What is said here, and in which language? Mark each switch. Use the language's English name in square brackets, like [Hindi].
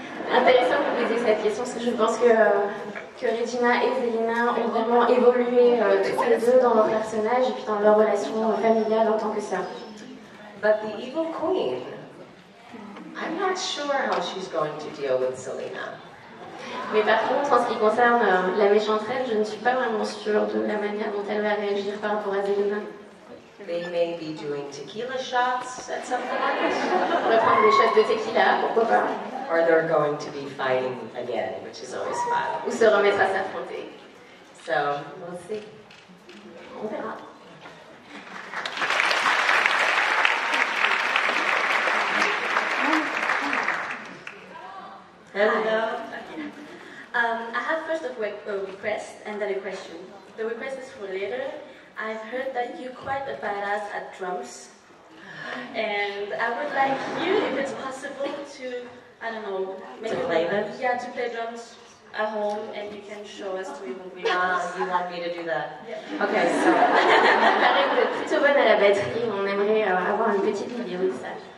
[French] Intéressant que vous posiez cette question parce que je pense que Regina et Zelina ont vraiment évolué toutes les deux dans leur personnage et puis dans leur relation familiale en tant que sœur. [English] But the evil queen, I'm not sure how she's going to deal with Zelina. [French] Mais par contre, en ce qui concerne la méchante reine, je ne suis pas vraiment sûre de la manière dont elle va réagir par rapport à Zelina. [English] They may be doing tequila shots at some point. [French] Reprendre des shots de tequila, pourquoi pas. [English] Or they're going to be fighting again, which is always fun. [French] Ou se remettre à s'affronter. [English] So, we'll see. [French] On verra. [English] Hello. I have first of all a request and then a question. The request is for later. I've heard that you're quite a badass at drums. And I would like you, if it's possible, to, I don't know, make to play them? Yeah, to play drums at home and you can show us to even be you want me to do that? Yeah. Okay, so. [French] Plutôt bonne à la batterie, on aimerait avoir une petite vidéo de ça.